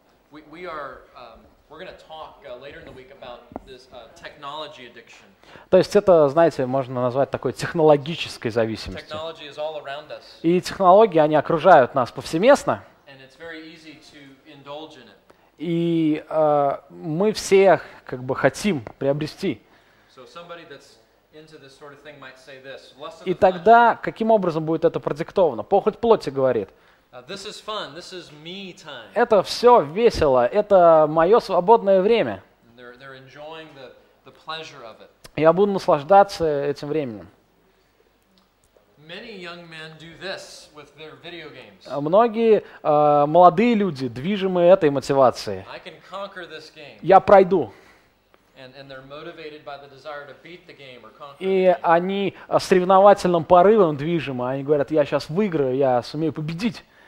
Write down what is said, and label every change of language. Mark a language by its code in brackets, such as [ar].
[en] We're going to talk later in the week about this technology addiction. [ru] То есть это, знаете, можно назвать такой технологической зависимостью. [en] Technology is all around us. [ru] И технологии, они окружают нас повсеместно. [en] And it's very easy to indulge in it. [ru] И мы все как бы хотим приобрести. [en] So somebody that's into this sort of thing might say this. [ru] И тогда каким образом будет это продиктовано? Похоть плоти говорит. [en] This is fun. This is me time. [ru] Это все весело. Это мое свободное время. [en] They're enjoying the pleasure of it. [ru] Я буду наслаждаться этим временем. [en] Many young men do this with their video games. [ru] Многие молодые люди, движимые этой мотивацией. [en] I can conquer this game. [ru] Я пройду. [en] And they're motivated by the desire to beat the game or conquer. [ru] И они соревновательным порывом движимы. Они говорят, я сейчас выиграю, я сумею победить.